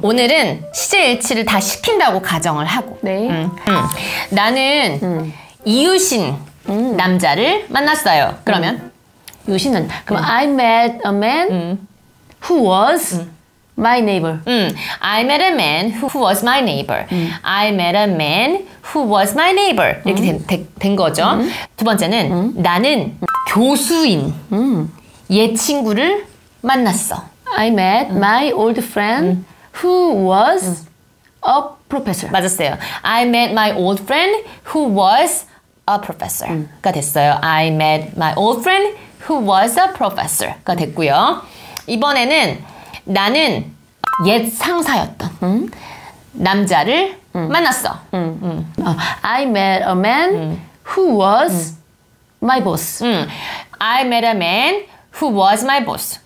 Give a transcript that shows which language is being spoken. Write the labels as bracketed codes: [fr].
[ko] 오늘은 시제 일치를 다 시킨다고 가정을 하고 나는 이웃인 남자를 만났어요. 그러면 요신은 그럼 [en] I met a man who was my neighbor. I met a man who was my neighbor. I met a man who was my neighbor. [ko] 이렇게 된 거죠. 두 번째는 나는 교수인 옛 친구를 만났어. [en] I met my old friend who was a professor. [ko] 맞았어요. [en] I met my old friend who was a professor. [ko] 가 됐어요. [en] I met my old friend who was a professor [ko] 가 됐고요. 이번에는 나는 옛 상사였던 남자를 만났어. [en] I met a man who was my boss. I met a man who was my boss.